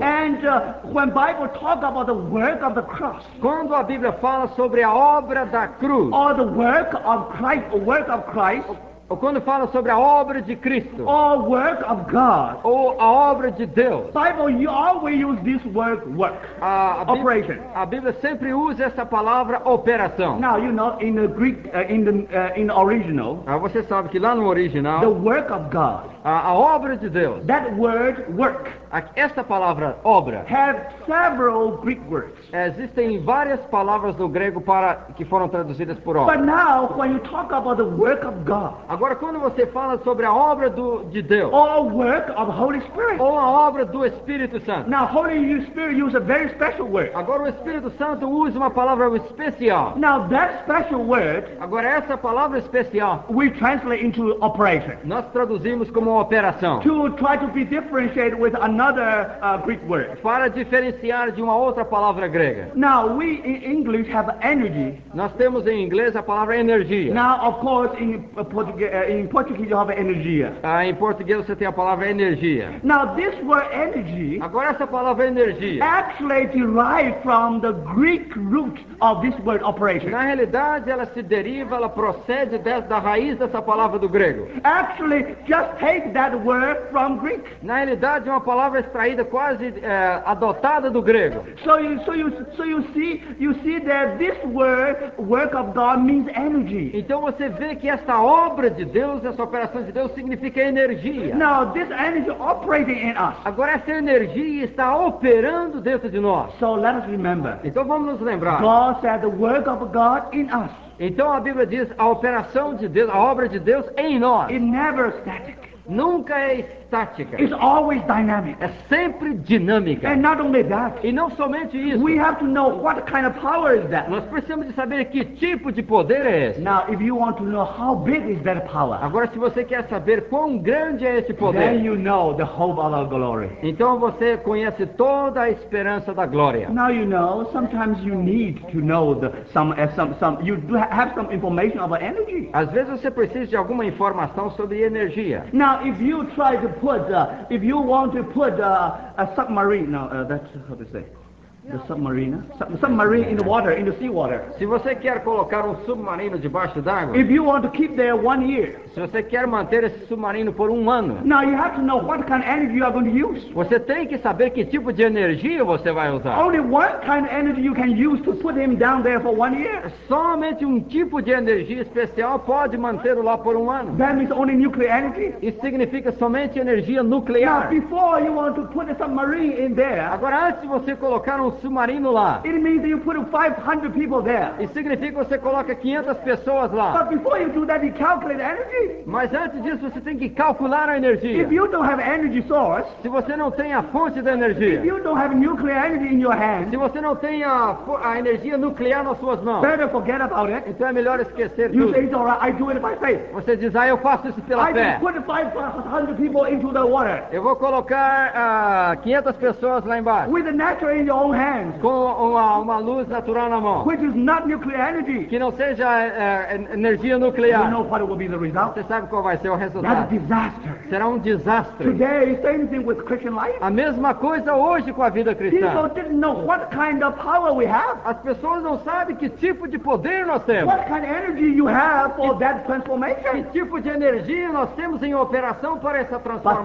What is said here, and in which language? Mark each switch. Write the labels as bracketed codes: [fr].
[en] And when Bible talks about the work of the cross. [pt] Quando a Bíblia fala sobre a obra da cruz. [en] Or the work of Christ, the work of Christ. [pt] Ou quando fala sobre a obra de Cristo. [en] Or work of God. [pt] Ou a obra de Deus. [en] Bible, you always use this word work. Operation. [pt] A Bíblia sempre usa essa palavra operação. [en] Now you know in the Greek in the original. [pt] Você sabe que lá no original. [en] The work of God. [pt] A obra de Deus. [en] That word work. [pt] Essa palavra obra. [en] Have several Greek words. [pt] Existem várias palavras no grego que foram traduzidas por obra. [en] But now when you talk about the work of God. [pt] Agora quando você fala sobre a obra de Deus. [en] Or work of Holy Spirit. [pt] Ou a obra do Espírito Santo. [en] Now Holy Spirit uses a very special word. [pt] Agora o Espírito Santo usa uma palavra especial. [en] Now that special word. [pt] Agora essa palavra especial. [en] We translate into operation. [pt] Nós traduzimos como operação. [en] To try to be differentiated with another Greek word. [pt] Para diferenciar de uma outra palavra grega. [en] Now we in English have energy. [pt] Nós temos em inglês a palavra energia. [en] Now of course in Portuguese you have energia. [pt] Em português você tem a palavra energia. [en] Now this word energy. [pt] Agora essa palavra energia. [en] Actually derived from the Greek root of this word operation. [pt] Na realidade ela se deriva, ela procede da raiz dessa palavra do grego. [en] Actually just take that word from Greek. [pt] Na realidade uma palavra extraída quase adotada do grego. [en] So you you see that this work of God means energy. [pt] Então você vê que esta obra de Deus, essa operação de Deus significa energia. [en] Now this energy operating in us. [pt] Agora essa energia está operando dentro de nós. [en] So let us remember. [pt] Então vamos nos lembrar. [en] God said the work of God in us. [pt] Então a Bíblia diz a operação de Deus, a obra de Deus em nós. [en] It never static. [pt] Nunca é estática. [en] It's always dynamic. [pt] É sempre dinâmica. [en] And not only that. [pt] E não somente isso. [en] We have to know what kind of power is that. [pt] Nós precisamos de saber que tipo de poder é esse. [en] Now, if you want to know how big is that power. [pt] Agora, se você quer saber quão grande é esse poder. [en] Then you know the hope of our glory. [pt] Então você conhece toda a esperança da glória. [en] Now you know. Sometimes you need to know some. You do have some information about energy. [pt] Às vezes você precisa de alguma informação sobre energia. [en] Now, if you try to put, if you want to put a submarine, no, that's how to say, the submarine, submarine in the water, in the seawater. [pt] Se você quer colocar submarino debaixo d'água. [en] If you want to keep there 1 year. [pt] Se você quer manter esse submarino por 1 ano. [en] Now, you have to know what kind of energy you are going to use. [pt] Você tem que saber que tipo de energia você vai usar. [en] Only one kind of energy you can use to put him down there for 1 year. [pt] Somente tipo de energia especial pode mantê-lo lá por 1 ano. [en] That means only nuclear energy. [pt] Isso significa somente energia nuclear. [en] Now, before you want to put a submarine in there. [pt] Agora, antes de você colocar submarino lá. [en] It means that you put 500 people there. [pt] Isso significa que você coloca 500 pessoas lá. [en] But before you do that, you calculate energy. [pt] Mas antes disso, você tem que calcular a energia. [en] If you don't have energy source, [pt] se você não tem a fonte da energia. [en] If you don't have nuclear energy in your hand, [pt] se você não tem a energia nuclear nas suas mãos. [en] Better forget about it. [pt] Então é melhor esquecer [en] you [pt] tudo. [en] Say it's all right, I do it by faith. [pt] Você diz, eu faço isso pela [en] I [pt] fé. [en] I put 500 people into the water. [pt] Eu vou colocar 500 pessoas lá embaixo. [en] With the natural in your own hands. [pt] Com uma luz natural na mão. [en] Which is not nuclear energy. [pt] Que não seja energia nuclear. [en] You know what will be the result? [pt] Você sabe qual vai ser o resultado? [en] That's a disaster. [pt] Será desastre. [en] Today, same thing with Christian life. [pt] A mesma coisa hoje com a vida cristã. [en] People didn't know what kind of power we have. [pt] As pessoas não sabem que tipo de poder nós temos. [en] What kind of energy you have for that transformation? [pt] Que tipo de energia nós temos em operação para essa transformação?